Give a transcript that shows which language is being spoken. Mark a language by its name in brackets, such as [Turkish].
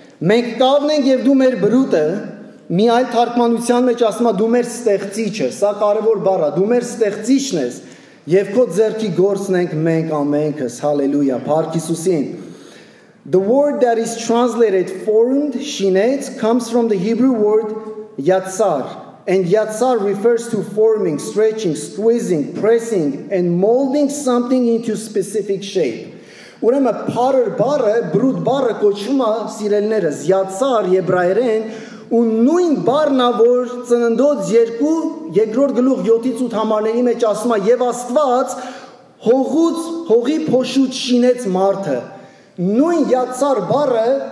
[Armenian] մենք կավն ենք եւ դու մեր բրուտը»։ Մի այլ թարգմանության մեջ ասում է, «Դու մեր ստեղծիչը»։ Սա կարևոր բառ է, դու մեր ստեղծիչն ես։ Եվ քո ձեռքի գործն ենք մենք ամենքս, հալելույա, Փառք Հիսուսին։ [English] The word that is translated formed, shinet, comes from the Hebrew word yatsar. And yatsar refers to forming, stretching, squeezing, pressing, and molding something into specific shape. [Armenian] Ուրեմն potter barre, brut barre կոչվում է սիրելներս, yatsar եբրայերեն, ու նույն բառն է, որ ծննդոց 2 երկրորդ գլուխ 7-ից 8 համարների մեջ ասում է, եւ Աստված հողուց, հողի փոշուց շինեց մարդը։ Նույն yatsar barre